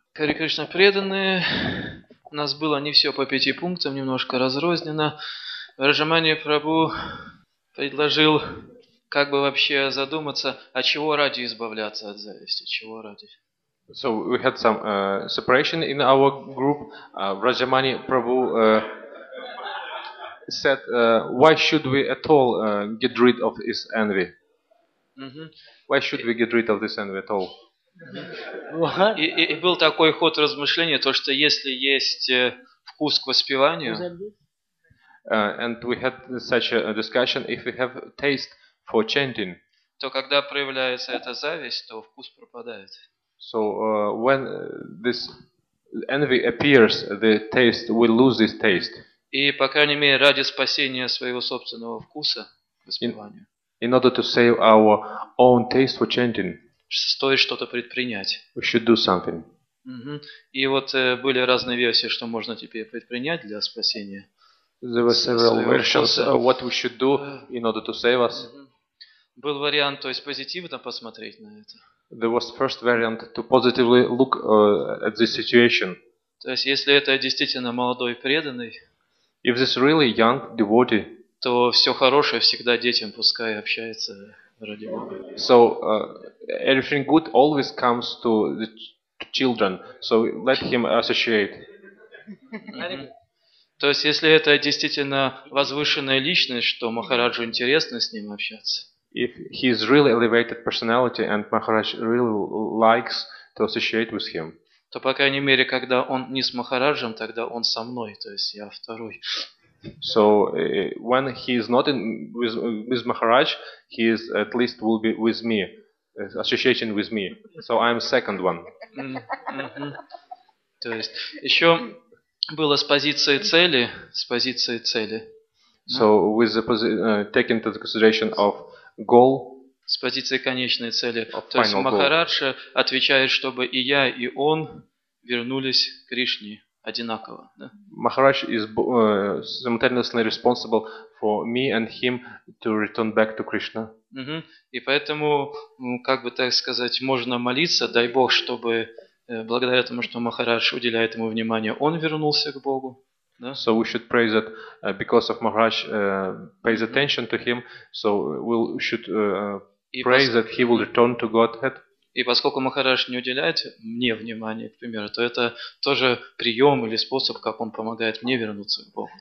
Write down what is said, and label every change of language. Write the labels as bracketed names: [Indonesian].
[Russian] Хари Кришна, преданные. У нас было не все по пяти пунктам, немножко разрознено. Раджамани Прабу предложил как бы вообще задуматься, а чего ради избавляться от зависти, чего ради. [English] So we had some separation in our group. Раджамани Прабу said, why should we at all get rid of this envy? Why should we get rid of this envy at all? [Russian] И был такой ход размышления, то что если есть вкус к воспеванию, [English] and we had such a discussion, if we have taste for chanting, [Russian] то когда проявляется эта зависть, то вкус пропадает. [English] So when this envy appears, the taste will lose this taste. [Russian] И по крайней мере ради спасения своего собственного вкуса к воспеванию. [English] In order to save our own taste for chanting. [Russian] Стоит что-то предпринять. [English] We should do something. Mm-hmm. [Russian] И вот были разные версии, что можно теперь предпринять для спасения. [English] There were several versions of what we should do in order to save us. Mm-hmm. [Russian] Был вариант, то есть позитивно посмотреть на это. [English] There was first variant to positively look at this situation. [Russian] То есть если это действительно молодой преданный, [English] If this really young devotee, [Russian] то все хорошее всегда детям пускай общается ради Бога. [English] So everything good always comes to the children. So let him associate. [Russian] То есть если это действительно возвышенная личность, что Махараджу интересно с ним общаться. [English] If he is really elevated personality and Maharaj really likes to associate with him. [Russian] То по крайней мере, когда он не с Махараджем, тогда он со мной, то есть я второй. [English] So when he is not in with Maharaj, he is at least will be with me, associating with me. So I am second one. Mm-hmm. [Russian] То есть еще было с позиции цели, с позиции цели. [English] So with the taking into consideration of goal. [Russian] С позиции конечной цели. То есть Махараджа отвечает, чтобы и я, и он вернулись к Кришне одинаково. [English] Махарадж is simultaneously responsible for me and him to return back to Krishna. [Russian] И поэтому, как бы так сказать, можно молиться, дай Бог, чтобы благодаря тому, что Махарадж уделяет ему внимание, он вернулся к Богу. [English] So we should pray that because of Maharaj pays attention to him, so we should pray that he will return to Godhead. [Russian] И поскольку Махарадж не уделяет мне внимания, к примеру, то это тоже прием или способ, как он помогает мне вернуться к Богу.